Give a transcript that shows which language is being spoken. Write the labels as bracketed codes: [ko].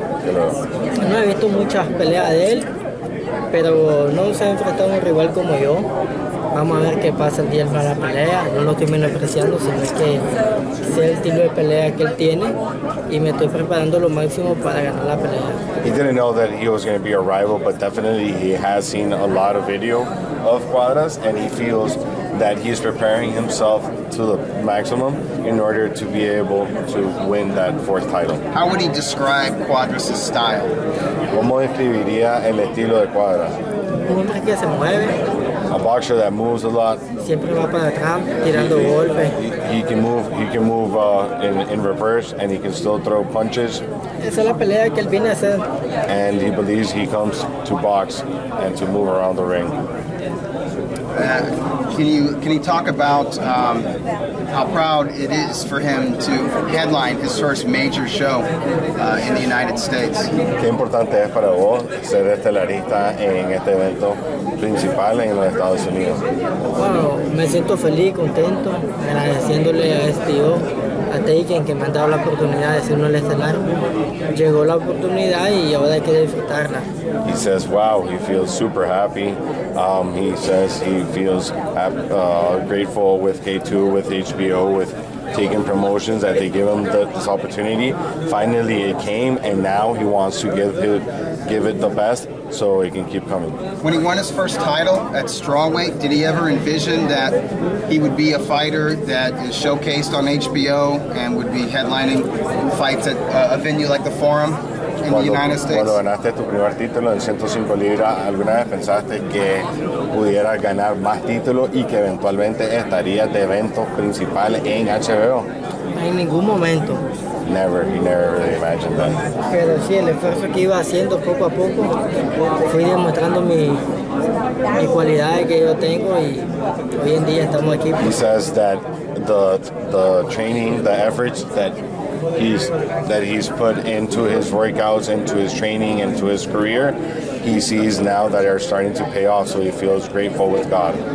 [es] Que lo... No he visto muchas peleas de él, pero no se ha enfrentado a un rival como yo. Vamos a ver qué pasa el día de la pelea. No lo estoy menospreciando, sino es que sé el estilo de pelea que él tiene y me estoy preparando lo máximo para ganar la pelea. [en] He didn't know that he was going to be a rival, but definitely he has seen a lot of video of Cuadras, and he feels that he is preparing himself to the maximum in order to be able to win that fourth title. How would he describe Cuadras' style? [es] ¿Cómo describiría el estilo de Cuadras? Un hombre que se mueve. [en] A boxer that moves a lot. [es] Siempre va para atrás, tirando golpes. [en] He can move. He can move in reverse, and he can still throw punches. [es] Esa es la pelea que él viene a hacer. [en] And he believes he comes to box and to move around the ring. Can you talk about how proud it is for him to headline his first major show in the United States? [es] Qué importante es para vos ser estelarista en este evento principal en los Estados Unidos. Bueno, me siento feliz, contento, agradeciéndole a STO, a Taken, que me han dado la oportunidad de ser uno el estelar. Llegó la oportunidad y ahora hay que disfrutarla. [en] He says, wow, he feels super happy. He says he feels grateful with K2, with HBO, with Taken Promotions, that they give him this opportunity. Finally, it came, and now he wants to give it the best so it can keep coming. When he won his first title at strawweight, did he ever envision that he would be a fighter that is showcased on HBO and would be headlining fights at a venue like the Forum? [es] Cuando ganaste tu primer título en 105 libras, ¿alguna vez pensaste que pudieras ganar más títulos y que eventualmente estarías de eventos principales en HBO? En ningún momento. [en] He never really imagined that. [es] Pero sí, el esfuerzo que iba haciendo poco a poco, fui demostrando mi cualidad que yo tengo y hoy en día estamos aquí. [en] He says that the training, the efforts that he's put into his workouts, into his training, into his career, he sees now that are starting to pay off, so he feels grateful with God.